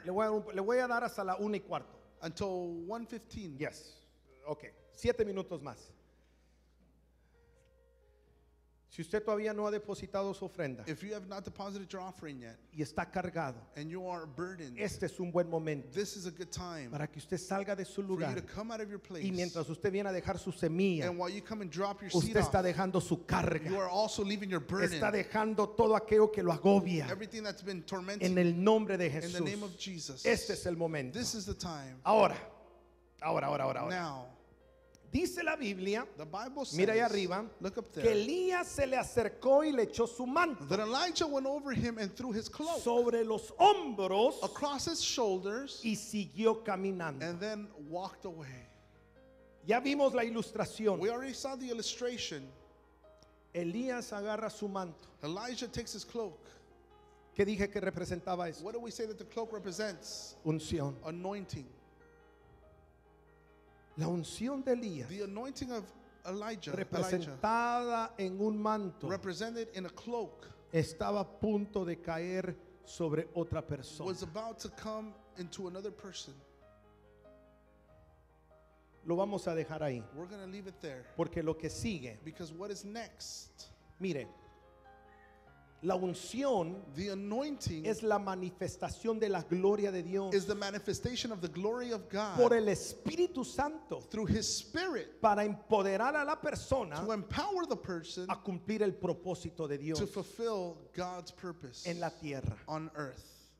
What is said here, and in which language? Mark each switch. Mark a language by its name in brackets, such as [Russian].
[Spanish] Le voy a dar hasta la 1 y cuarto. [English] Until 1:15. [Spanish] Yes. Okay. 7 minutos más. Si usted todavía no ha depositado su ofrenda, [English] if you have not deposited your offering yet, [Spanish] y está cargado, [English] and you are burdened, [Spanish] este es un buen momento, [English] this is a good time, [Spanish] para que usted salga de su lugar, [English] for you to come out of your place, [Spanish] y mientras usted viene a dejar su semilla, [English] and while you come and drop your [Spanish] usted [English] seed [Spanish] está [English] off, [Spanish] dejando su carga, [English] you are also leaving your burden, [Spanish] está dejando todo aquello que lo agobia, [English] everything that's been tormenting, [Spanish] en el nombre de Jesús, [English] in the name of Jesus, [Spanish] este es el momento, [English] this is the time, [Spanish] ahora. [English] Now, [Spanish] dice la Biblia, [English] the Bible says, [Spanish] mira ahí arriba, [English] look up there, [Spanish] que Elías se le acercó y le echó su manto, [English] Elijah went over him and threw his cloak, [Spanish] sobre los hombros, [English] across his shoulders, [Spanish] y siguió caminando, [English] and then walked away. [Spanish] Ya vimos la ilustración. [English] We already saw the illustration. [Spanish] Elías agarra su manto. [English] Elijah takes his cloak. [Spanish] ¿Qué dije que representaba eso? [English] What do we say that the cloak represents? [Spanish] Unción. [English] Anointing. [Spanish] La unción de Elías, [English] the anointing of Elijah, [Spanish] representada en un manto, [English] represented in a cloak, [Spanish] estaba a punto de caer sobre otra persona, [English] was about to come into another person. [Spanish] Lo vamos a dejar ahí, [English] we're going to leave it there, [Spanish] porque lo que sigue, [English] because what is next, [Spanish] mire, la unción, [English] the anointing, [Spanish] es la manifestación de la gloria de Dios, [English] is the manifestation of the glory of God, [Spanish] por el Espíritu Santo, [English] through his spirit, [Spanish] para empoderar a la persona, [English] to empower the person, [Spanish] a cumplir el propósito de Dios, [English] to fulfill God's purpose, [Spanish] en la tierra, [English] on earth.